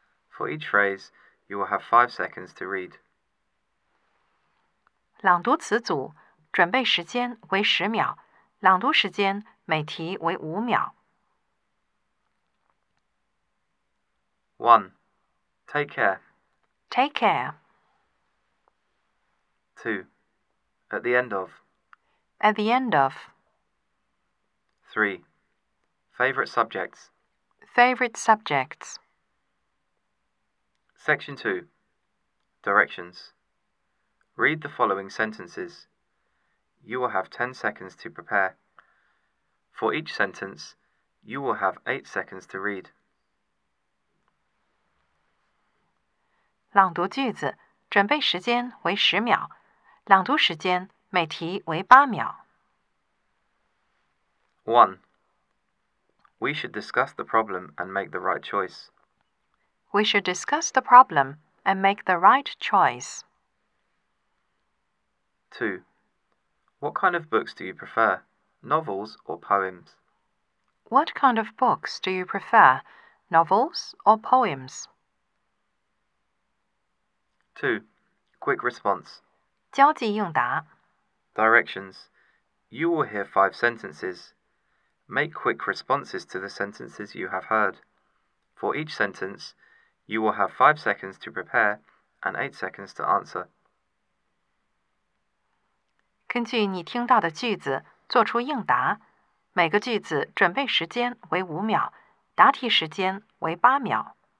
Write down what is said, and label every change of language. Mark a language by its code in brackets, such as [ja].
[en] For each phrase, you will have 5 seconds to read. [zh] 朗读词组，准备时间为10秒，朗读时间每题为5秒。 [en] 1. Take care. Take care. 2. At the end of. At the end of. 3. Favorite subjects. Favorite subjects. Section 2. Directions. Read the following sentences. You will have 10 seconds to prepare. For each sentence, you will have 8 seconds to read. [zh] 朗读句子，准备时间为10秒，朗读时间每题为8秒。 [en] 1. We should discuss the problem and make the right choice. We should discuss the problem and make the right choice. 2. What kind of books do you prefer, novels or poems? What kind of books do you prefer, novels or poems? 2. Quick response. [zh] 交际应答。 [en] Directions. You will hear 5 sentences. Make quick responses to the sentences you have heard. For each sentence, you will have 5 seconds to prepare and 8 seconds to answer. [zh] 根据你听到的句子做出应答。每个句子准备时间为5秒，答题时间为8秒。